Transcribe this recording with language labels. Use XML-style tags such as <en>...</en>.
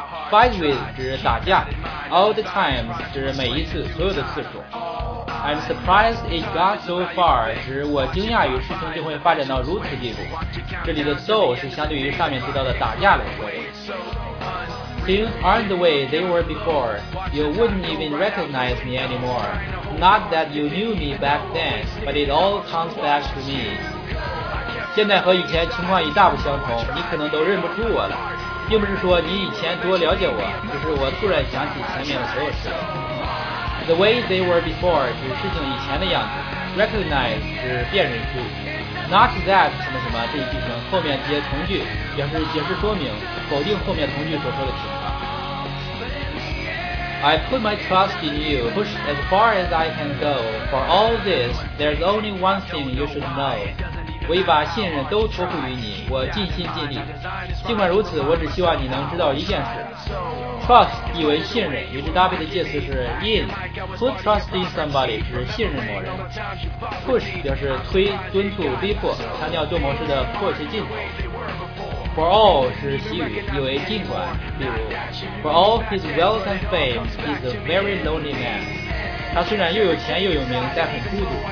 <en>Fight with</en> <zh>指打架，</zh> <en>all the time</en> <zh>指每一次、所有的次数。</zh> <en>I'm surprised it got so far</en> <zh>指我惊讶于事情就会发展到如此地步。这里的 so 是相对于上面提到的打架来说的。</zh> <en>Things aren't the way they were before. You wouldn't even recognize me anymore. Not that you knew me back then, but it all comes back to me.</en> <zh>现在和以前情况已大不相同，你可能都认不出我了。并不是说你以前多了解我，只是我突然想起前面的所有事。</zh> <en>The way they were before</en> <zh>指事情以前的样子。 Recognize 是辨认出。</zh> <en>Not that</en> <zh>什么什么这一句型后面接从句，表示解释说明，否定后面从句所说的情况。</zh> <en>I put my trust in you, push as far as I can go. For all this, there's only one thing you should know.</en> <zh>我已把信任都托付于你，我尽心尽力。尽管如此，我只希望你能知道一件事。 Trust 意为信任，与之搭配的介词是 in。</zh> <en>Put trust in somebody</en> <zh>指信任某人。 Push 表示推、敦促、逼迫，强调做某事的迫切劲头。</zh> <en>For all</en> <zh>是习语，意为尽管，比如</zh> <en>For all his wealth and fame, he's a very lonely man.</en> <zh>他虽然又有钱又有名，但很孤独。</zh>